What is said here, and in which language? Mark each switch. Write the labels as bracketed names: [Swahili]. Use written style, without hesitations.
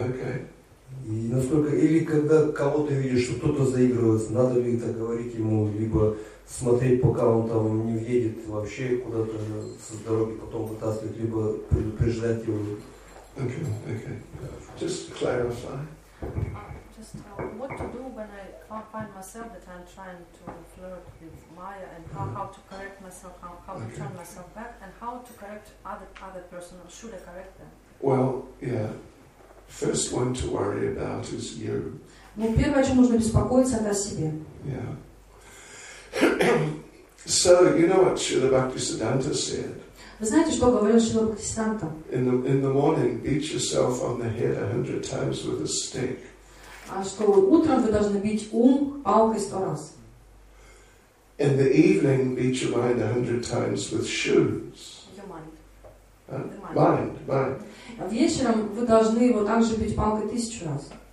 [English] Okay. [Russian] И насколько, или когда кого-то видишь, что кто-то заигрывается, надо ли это говорить ему, либо смотреть, пока он там не въедет вообще куда-то со дороги, потом вытаскивать, либо предупреждать его. [English] Okay, okay. Just clarify. What to do when I can't find myself, that I'm trying to flirt with Maya, and how to correct myself, how okay. to turn myself back, and how to correct other person, or should I correct them? Well, yeah. First one to worry about is you. [Russian] Ну, первое, о чем нужно беспокоиться, это о себе. [English] Yeah. So, you know what Srila Bhaktisiddhanta said? [Russian] Вы знаете, что говорил Шрила Бхактисиддханта? [English] In the morning, beat yourself on the head 100 times with a stick. [Russian] А что утром вы должны бить ум палкой 100 раз. [English] In the evening, beat your mind 100 times with shoes. Mind. [Russian] Вечером вы должны его также бить палкой 1000 раз.